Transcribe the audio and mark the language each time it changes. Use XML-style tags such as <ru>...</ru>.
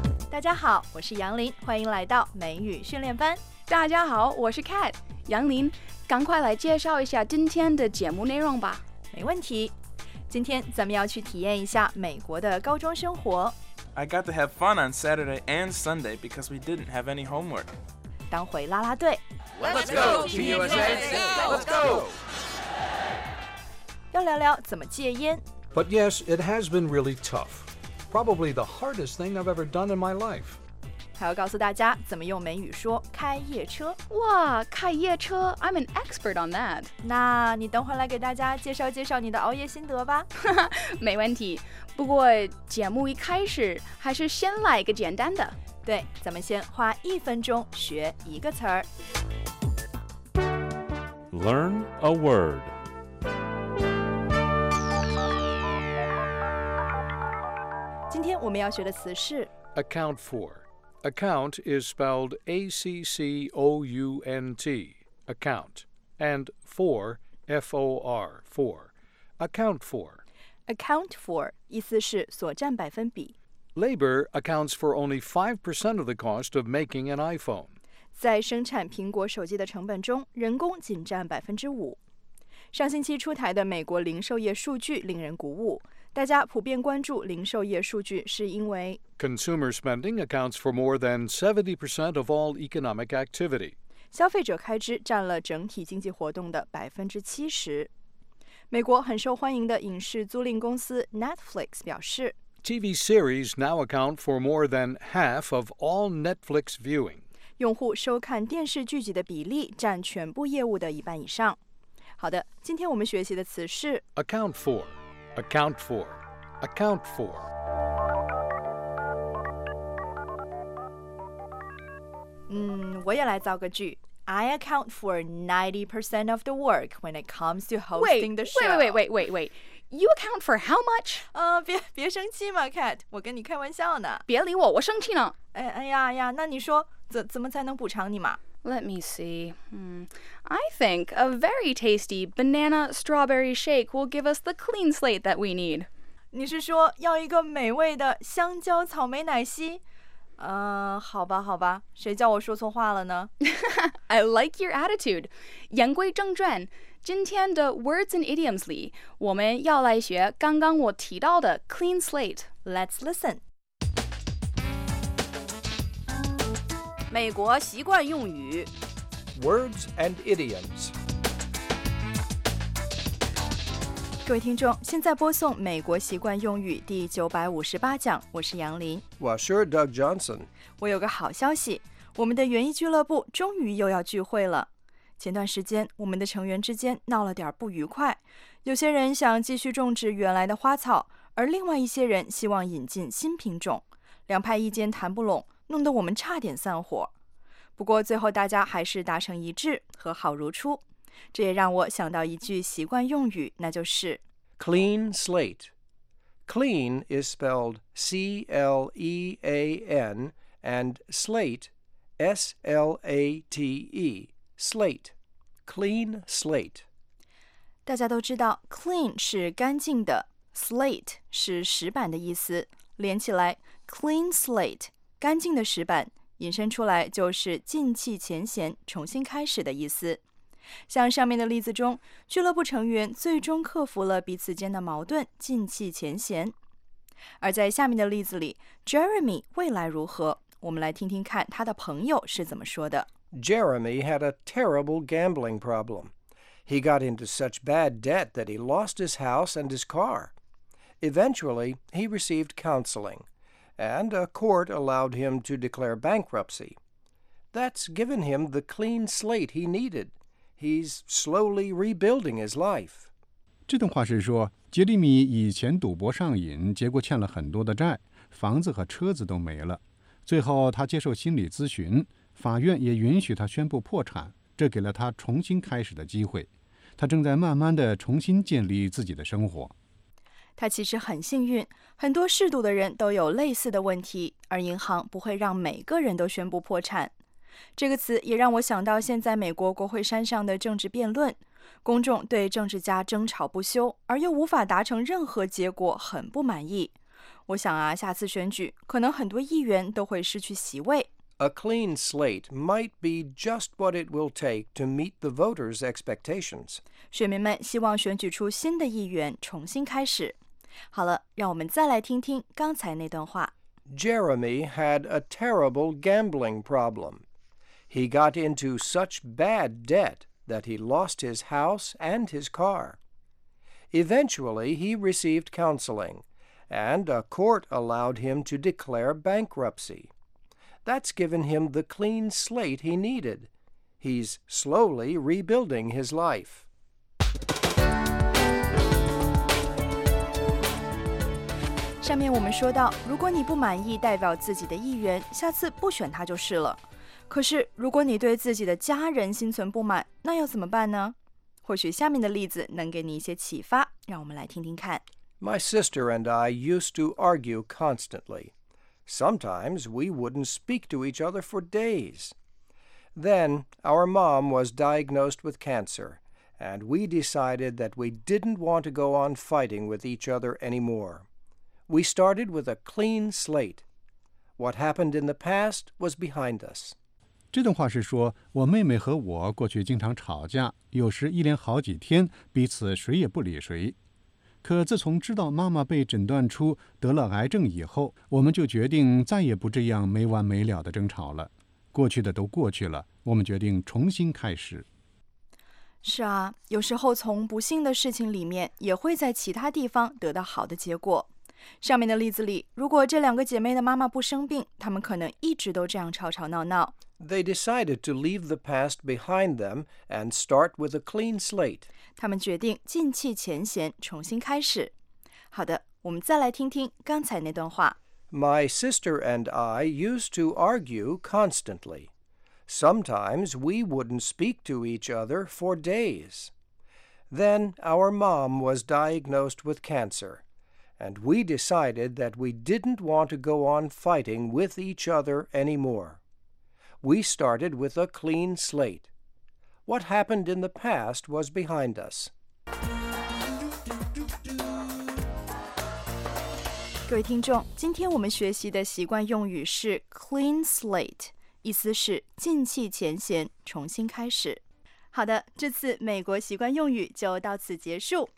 <zh>大家好，我是杨林，欢迎来到美语训练班。大家好，我是 Cat 杨林。赶快来介绍一下今天的节目内容吧。没问题，今天咱们要去体验一下美国的高中生活。</zh> <en>I got to have fun on Saturday and Sunday because we didn't have any homework.</en> <zh>当回啦啦队。</zh> <en>Let's go, Team USA! Let's go!</en> <zh>要聊聊怎么戒烟。</zh> <en>But yes, it has been really tough. Probably the hardest thing I've ever done in my life.</en> <zh>还要告诉大家怎么用美语说开夜车。哇，开夜车</zh> <en>,I'm an expert on that.</en> <zh>那你等会来给大家介绍介绍你的熬夜心得吧。没问题。不过节目一开始还是先来一个简单的。对，咱们先花一分钟学一个词儿。</zh> <en>Learn a word.</en> <zh>今天我们要学的词是</zh> <en>account for. Account is spelled A-C-C-O-U-N-T, account, and for, F-O-R, for, account for.</en> <zh>Account for, 意思是所占百分比。</zh> <en>Labor accounts for only 5% of the cost of making an iPhone.</en> <zh>在生产苹果手机的成本中，人工仅占5%。上星期出台的美国零售业数据令人鼓舞。大家普遍关注零售业数据是因为</zh> <en>Consumer spending accounts for more than 70% of all economic activity.</en> <zh>消费者开支占了整体经济活动的70%。美国很受欢迎的影视租赁公司 Netflix 表示</zh> <en>TV series now account for more than half of all Netflix viewing.</en> <zh>用户收看电视剧集的比例占全部业务的一半以上。好的，今天我们学习的词是</zh> <en>Account for, account for, account for.</en> <zh>我也来造个句。</zh> <en>I account for 90% of the work when it comes to hosting the show. Wait. You account for how much?</en> <zh>别生气嘛 ,Kat, 我跟你开玩笑呢。别理我,我生气呢。哎呀,那你说怎么才能补偿你嘛?</zh> <en>Let me see. I think a very tasty banana strawberry shake will give us the clean slate that we need.</en> <zh>你是说要一个美味的香蕉草莓奶昔? 好吧，谁叫我说错话了呢</zh> <en>？I like your attitude.</en> <zh>言归正传，今天的 Words and Idioms 里，我们要来学刚刚我提到的 Clean Slate.</zh> <en>Let's listen.</en> <zh>美国习惯用语</zh> <en>Words and Idioms.</en> <zh>各位听众，现在播送美国习惯用语第958讲，我是杨林。 Doug Johnson. 我有个好消息，我们的园艺俱乐部终于又要聚会了。前段时间，我们的成员之间闹了点不愉快，有些人想继续种植原来的花草，而另外一些人希望引进新品种，两派意见谈不拢，弄得我们差点散伙。不过最后大家还是达成一致，和好如初。这也让我想到一句习惯用语，那就是</zh> <en>Clean slate. Clean is spelled C-L-E-A-N and slate, S-L-A-T-E, slate, clean slate.</en> <zh>大家都知道 clean 是干净的 ,slate 是石板的意思。连起来 clean slate, 干净的石板引申出来就是静气前嫌重新开始的意思。像上面的例子中，俱乐部成员最终克服了彼此间的矛盾，尽弃前嫌。而在下面的例子里 ，Jeremy 未来如何？我们来听听看他的朋友是怎么说的。</zh> <en>Jeremy had a terrible gambling problem. He got into such bad debt that he lost his house and his car. Eventually, he received counseling, and a court allowed him to declare bankruptcy. That's given him the clean slate he needed. He's slowly rebuilding his life.</en> <zh>这段话是说，杰里米以前赌博上瘾，结果欠了很多的债，房子和车子都没了。最后他接受心理咨询，法院也允许他宣布破产，这给了他重新开始的机会。他正在慢慢地重新建立自己的生活。他其实很幸运，很多嗜赌的人都有类似的问题，而银行不会让每个人都宣布破产。这个词也让我想到现在美国国会山上的政治辩论，公众对政治家争吵不休，而又无法达成任何结果，很不满意。我想啊，下次选举，可能很多议员都会失去席位。</zh> <en>A clean slate might be just what it will take to meet the voters' expectations.</en> <zh>选民们希望选举出新的议员，重新开始。好了，让我们再来听听刚才那段话。</zh> <en>Jeremy had a terrible gambling problem. He got into such bad debt that he lost his house and his car. Eventually, he received counseling, and a court allowed him to declare bankruptcy. That's given him the clean slate he needed. He's slowly rebuilding his life.</en> <zh>上面我们说到，如果你不满意代表自己的意愿，下次不选他就是了。可是如果你对自己的家人心存不满，那要怎么办呢？或许下面的例子能给你一些启发，让我们来听听看。 My sister and I used to argue constantly. Sometimes we wouldn't speak to each other for days. Then our mom was diagnosed with cancer, and we decided that we didn't want to go on fighting with each other anymore. We started with a clean slate. What happened in the past was behind us. 这段话是说，我妹妹和我过去经常吵架，有时一连好几天，彼此谁也不理谁。可自从知道妈妈被诊断出得了癌症以后，我们就决定再也不这样没完没了的争吵了。过去的都过去了，我们决定重新开始。是啊，有时候从不幸的事情里面，也会在其他地方得到好的结果。上面的例子里，如果这两个姐妹的妈妈不生病，她们可能一直都这样吵吵闹闹。</zh> <en>They decided to leave the past behind them and start with a clean slate.</en> <zh>她们决定摒弃前嫌，重新开始。好的，我们再来听听刚才那段话。</zh> <en>My sister and I used to argue constantly. Sometimes we wouldn't speak to each other for days. Then our mom was diagnosed with cancer. And we decided that we didn't want to go on fighting with each other anymore. We started with a clean slate. What happened in the past was behind us.</en> <zh>各位听众，今天我们学习的习惯用语是 clean slate， 意思是摒弃前嫌，重新开始。好的，这次美国习惯用语就到此结束。</zh>